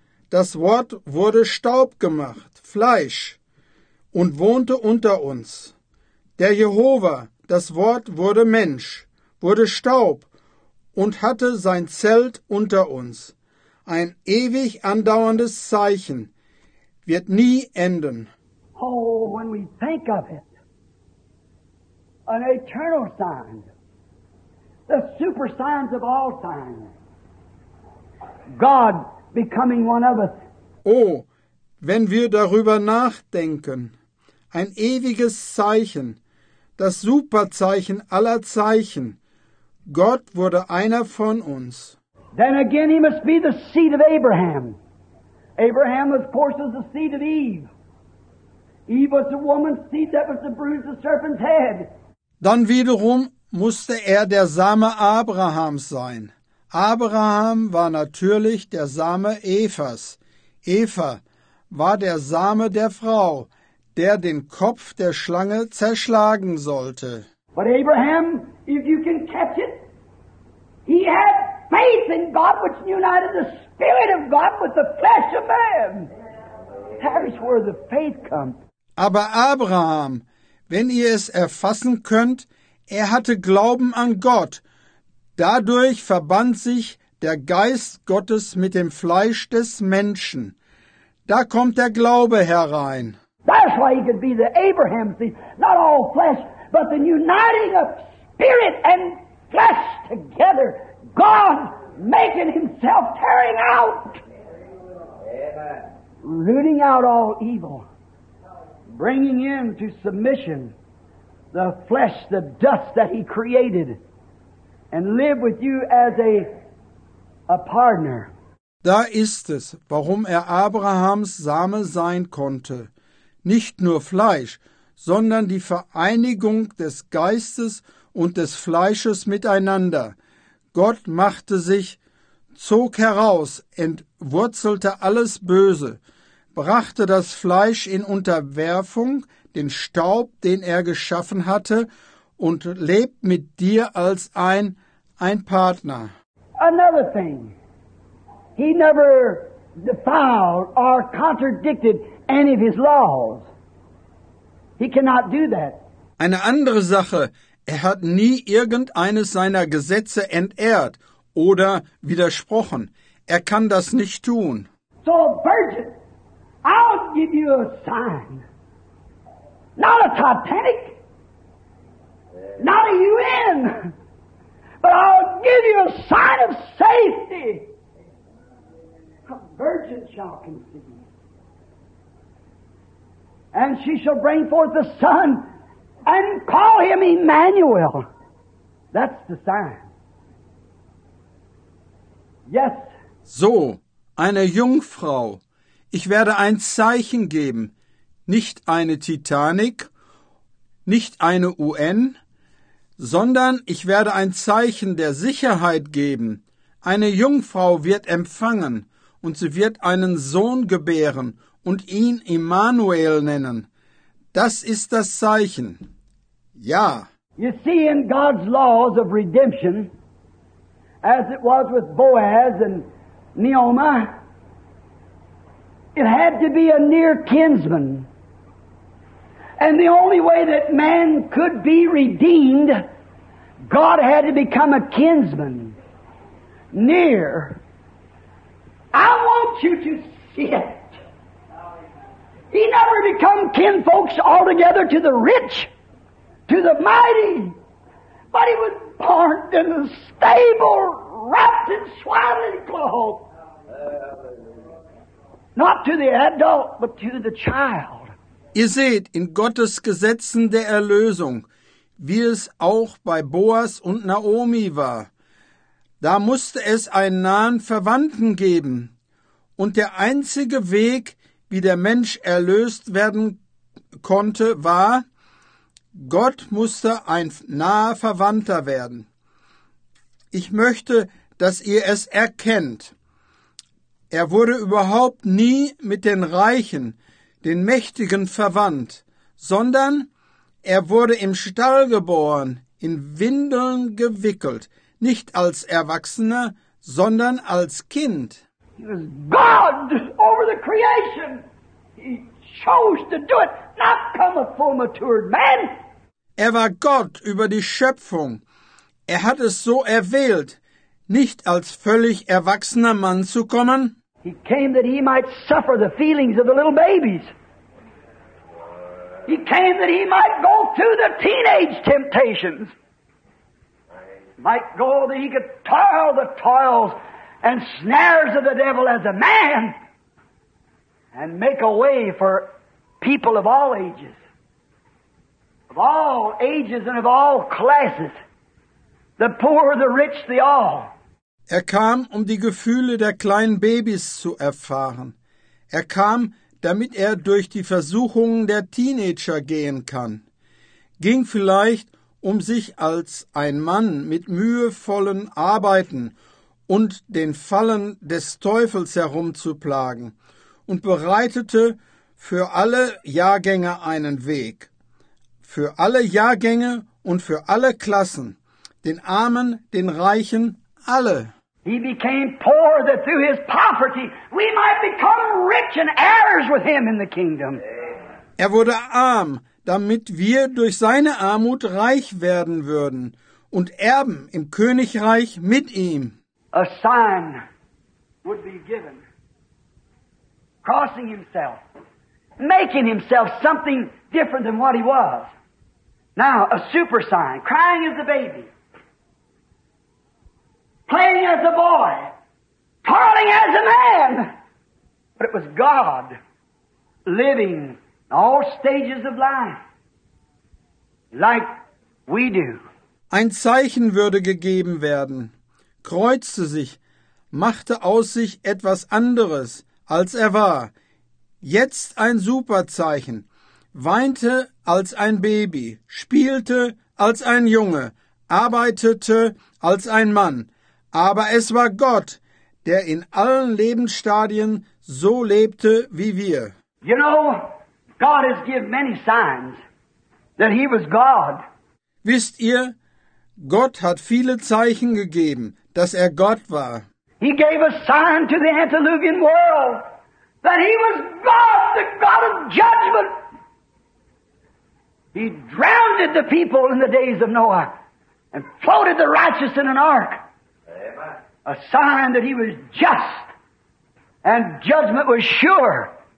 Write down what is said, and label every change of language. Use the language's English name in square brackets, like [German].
[German] Das Wort wurde Staub gemacht, Fleisch, und wohnte unter uns. Der Jehovah, das Wort wurde Mensch, wurde Staub und hatte sein Zelt unter uns. Ein ewig andauerndes Zeichen wird nie enden. [English] Oh, when we think of it, an eternal sign the super signs of all time. God becoming one of us. [German] Oh, wenn wir darüber nachdenken, ein ewiges Zeichen, das Superzeichen aller Zeichen, Gott wurde einer von uns. [English] Then again he must be the seed of Abraham. Abraham was, of course, was the seed of Eve. Eve was the woman's seed that was to bruise the serpent's head. [German] Dann wiederum musste er der Same Abrahams sein. Abraham war natürlich der Same Evas. Eva war der Same der Frau, der den Kopf der Schlange zerschlagen sollte. [English] But Abraham, if you can catch it, he had faith in God, which united the Spirit of God with the flesh of man. That is where the faith comes. [German] Aber Abraham, wenn ihr es erfassen könnt, er hatte Glauben an Gott. Dadurch verband sich der Geist Gottes mit dem Fleisch des Menschen. Da kommt der Glaube herein. [English] That's why he could be the Abraham seed, not all flesh, but the uniting of spirit and flesh together. God making himself tearing out. Amen. Rooting out all evil. Bringing into submission the flesh, the dust that he created. And live with you as a partner. [German] Da ist es, warum er Abrahams Same sein konnte. Nicht nur Fleisch, sondern die Vereinigung des Geistes und des Fleisches miteinander. Gott machte sich, zog heraus, entwurzelte alles Böse, brachte das Fleisch in Unterwerfung, den Staub, den er geschaffen hatte, und lebt mit dir als ein Partner. [English] Another thing, he never defiled or contradicted any of his laws. He cannot do that. [German] Eine andere Sache, er hat nie irgendeines seiner Gesetze entehrt oder widersprochen. Er kann das nicht tun. [English] So, Virgin, I'll give you a sign. Not a Titanic, not a UN, but I'll give you a sign of safety. A virgin shall conceive. And she shall bring forth a son and call him Emmanuel. That's the sign. Yes. [German] So, eine Jungfrau. Ich werde ein Zeichen geben. Nicht eine Titanic, nicht eine UN, sondern ich werde ein Zeichen der Sicherheit geben. Eine Jungfrau wird empfangen und sie wird einen Sohn gebären und ihn Immanuel nennen. Das ist das Zeichen. Ja. [English] You see, in God's laws of redemption, as it was with Boaz and Naomi, it had to be a near kinsman. And the only way that man could be redeemed, God had to become a kinsman. Near. I want you to see it. He never become kinfolks altogether to the rich, to the mighty, but he was born in the stable, wrapped in swaddling clothes. Not to the adult, but to the child. [German] Ihr seht, in Gottes Gesetzen der Erlösung, wie es auch bei Boas und Naomi war, da musste es einen nahen Verwandten geben. Und der einzige Weg, wie der Mensch erlöst werden konnte, war, Gott musste ein naher Verwandter werden. Ich möchte, dass ihr es erkennt. Er wurde überhaupt nie mit den Reichen, den Mächtigen verwandt, sondern er wurde im Stall geboren, in Windeln gewickelt, nicht als Erwachsener, sondern als Kind. [English] He was God over the creation. He chose to do it, not come a full matured man. [German] Er war Gott über die Schöpfung. Er hat es so erwählt, nicht als völlig erwachsener Mann zu kommen. [English] He came that he might suffer the feelings of the little babies. He came that he might go through the teenage temptations. might go, that he could toil the toils and snares of the devil as a man and make a way for people of all ages. Of all ages and of all classes. The poor, the rich, the all. [German] Er kam, um die Gefühle der kleinen Babys zu erfahren. Er kam, damit er durch die Versuchungen der Teenager gehen kann. Ging vielleicht, um sich als ein Mann mit mühevollen Arbeiten und den Fallen des Teufels herumzuplagen, und bereitete für alle Jahrgänge einen Weg. Für alle Jahrgänge und für alle Klassen, den Armen, den Reichen, alle. [English] He became poor that through his poverty we might become rich and heirs with him in the kingdom. [German] Er wurde arm, damit wir durch seine Armut reich werden würden und Erben im Königreich mit ihm. [English] A sign would be given, crossing himself, making himself something different than what he was. Now, a super sign, crying as a baby. Playing as a boy, toiling as a man. But it was God living in all stages of life, like we do. [German] Ein Zeichen würde gegeben werden, kreuzte sich, machte aus sich etwas anderes, als er war. Jetzt ein Superzeichen, weinte als ein Baby, spielte als ein Junge, arbeitete als ein Mann. Aber es war Gott, der in allen Lebensstadien so lebte wie wir. [English] You know, God has given many signs that he was God. [German] Wisst ihr, Gott hat viele Zeichen gegeben, dass er Gott war. [English] He gave a sign to the antediluvian world that he was God, the God of judgment. He drowned the people in the days of Noah and floated the righteous in an ark. A sign that he was just and judgment was sure.